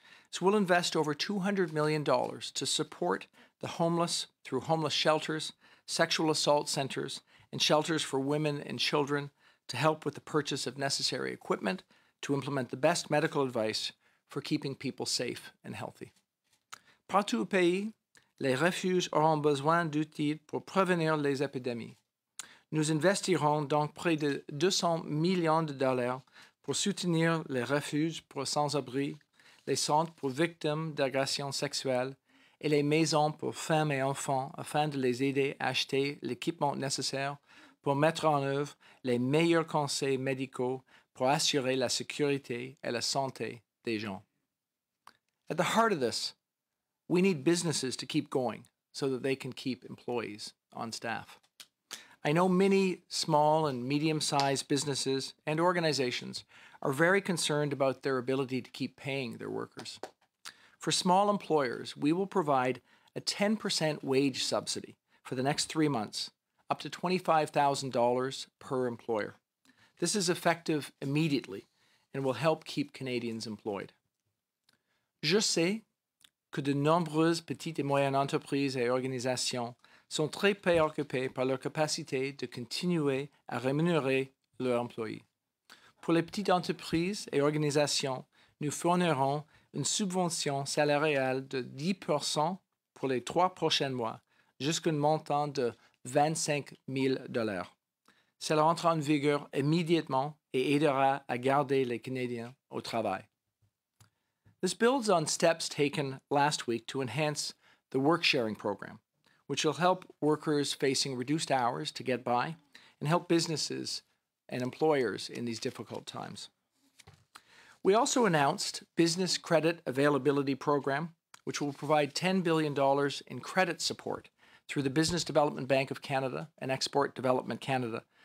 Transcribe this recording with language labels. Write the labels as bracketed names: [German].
[English] So we'll invest over $200 million to support the homeless through homeless shelters, sexual assault centers, and shelters for women and children to help with the purchase of necessary equipment to implement the best medical advice for keeping people safe and healthy. [French] Partout au pays, les refuges auront besoin d'outils pour prévenir les épidémies. Nous investirons donc près de 200 millions de dollars pour soutenir les refuges pour sans-abri, les centres pour victimes d'agressions sexuelles et les maisons pour femmes et enfants afin de les aider à acheter l'équipement nécessaire pour mettre en œuvre les meilleurs conseils médicaux pour assurer la sécurité et la santé des gens. [English] At the heart of this, we need businesses to keep going so that they can keep employees on staff. I know many small and medium-sized businesses and organizations are very concerned about their ability to keep paying their workers. For small employers, we will provide a 10% wage subsidy for the next 3 months, up to $25,000 per employer. This is effective immediately and will help keep Canadians employed. [French] Je sais que de nombreuses petites et moyennes entreprises et organisations sont très préoccupées par leur capacité de continuer à rémunérer leurs employés. Pour les petites entreprises et organisations, nous fournirons une subvention salariale de 10% pour les 3 prochains mois, jusqu'à un montant de 25 000 $. Cela entre en vigueur immédiatement et aidera à garder les Canadiens au travail. [English] This builds on steps taken last week to enhance the work-sharing program, which will help workers facing reduced hours to get by and help businesses and employers in these difficult times. We also announced Business Credit Availability Program, which will provide $10 billion in credit support through the Business Development Bank of Canada and Export Development Canada